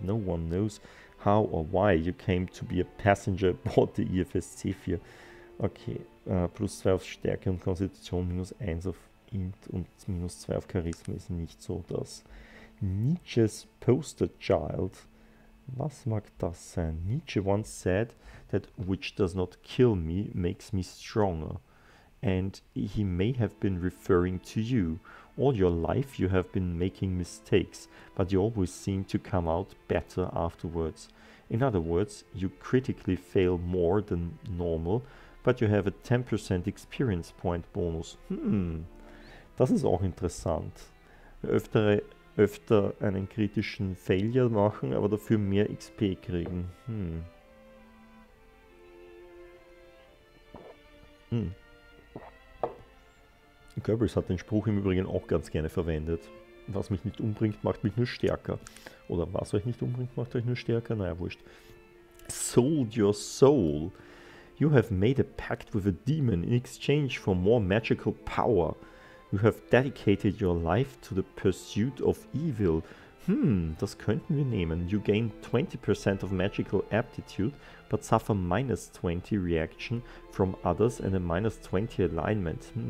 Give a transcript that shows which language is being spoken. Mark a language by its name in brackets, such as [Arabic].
[English] No one knows how or why you came to be a passenger aboard the IFS Zephyr. [German] Okay, plus 2 auf Stärke und Konstitution, minus 1 auf Int und minus 2 auf Charisma ist nicht so das. Nietzsche's poster child. Was mag das sein? [English] Nietzsche once said that which does not kill me makes me stronger. And he may have been referring to you. All your life you have been making mistakes, but you always seem to come out better afterwards. In other words, you critically fail more than normal, but you have a 10% experience point bonus. [German] Das ist auch interessant. Öfter einen kritischen Failure machen, aber dafür mehr XP kriegen. Goebbels hat den Spruch im Übrigen auch ganz gerne verwendet. Was mich nicht umbringt, macht mich nur stärker. Oder was euch nicht umbringt, macht euch nur stärker. Naja, wurscht. Sold your soul. [English] You have made a pact with a demon in exchange for more magical power. You have dedicated your life to the pursuit of evil. [German] Das könnten wir nehmen. [English] You gain 20% of magical aptitude, but suffer minus 20 reaction from others and a minus 20 alignment.